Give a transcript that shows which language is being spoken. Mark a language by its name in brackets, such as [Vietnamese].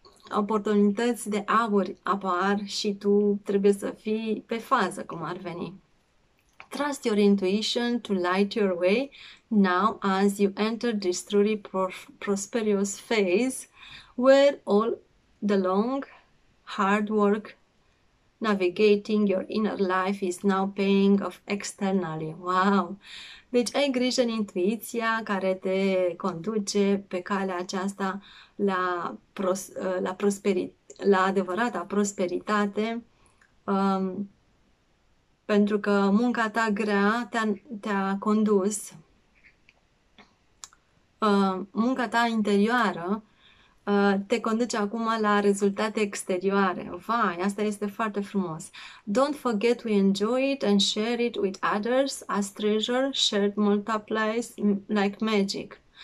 [Romanian] oportunități de aur apar și tu trebuie să fii pe fază, cum ar veni. [English] Trust your intuition to light your way now as you enter this truly prosperous phase where all the long hard work navigating your inner life is now paying off externally. Wow! [Romanian] Deci ai grijă în intuiția care te conduce pe calea aceasta la adevărata prosperitate, pentru că munca ta grea te-a condus, munca ta interioară te conduce acum la rezultate exterioare. Vai, asta este foarte frumos. [English] Don't forget we enjoy it and share it with others as treasure shared multiplies like magic.